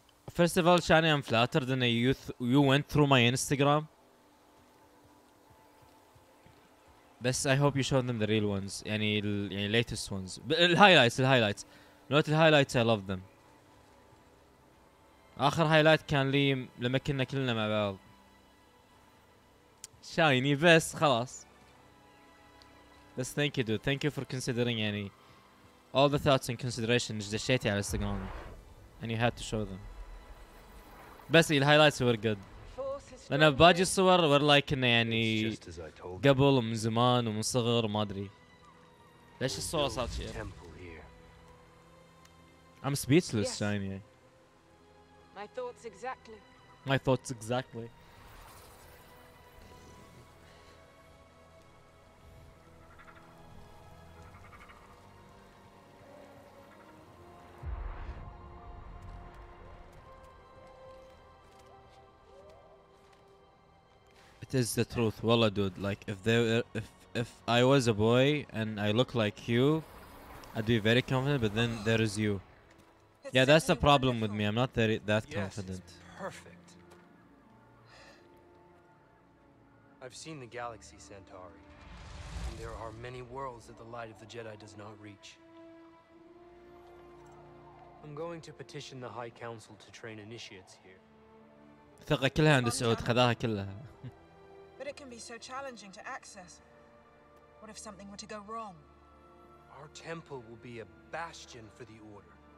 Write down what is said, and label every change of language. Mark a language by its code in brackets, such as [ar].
[en] First of all شاني I'm flattered ان you went through my Instagram. بس I hope you show them the real ones، يعني ال يعني latest ones، الهايلايتس نوت الهايلايتس I love them. [ar] آخر هايلايت كان لي لما كنا كلنا مع بعض. شايني بس خلاص. بس [en] thank you dude. Thank you for considering يعني all the thoughts and consideration دشيتي على Instagram and you had to show them. بس الهايلايتس were good. [ar] لأن باقي الصور [en] were like [ar] إنه يعني قبل ومن زمان ومن صغر وما أدري. ليش الصورة صارت شيء؟ [en] I'm speechless yes. Shiny. My thoughts exactly. It is the truth. Walla dude, like if I was a boy and I look like you, I'd be very confident, but then there is you. Yeah, that's the problem with me. I'm not that confident. Yes, it's perfect. I've seen the galaxy Centauri, and there are many worlds that the light of the Jedi does not reach. I'm going to petition the High Council to train initiates here. [ar] ثقة كلها عند سعود، خذاها كلها. [en] But it can be so challenging to access. What if something were to go wrong? Our temple will be a bastion for the order.